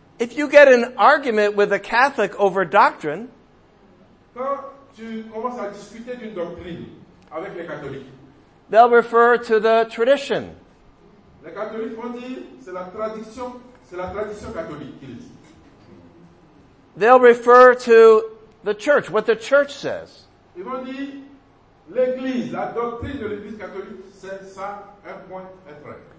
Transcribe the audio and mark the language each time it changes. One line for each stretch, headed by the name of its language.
English: If you get an argument with a Catholic over doctrine,
French: quand tu commences à discuter d'une doctrine avec les catholiques,
English: they'll refer to the tradition.
French: Les catholiques vont dire, c'est la tradition catholique qu'ils disent.
English: They'll refer to the church, what the church says.
French: Ils vont dire, l'église, la doctrine de l'église catholique, c'est ça, un point, un trait.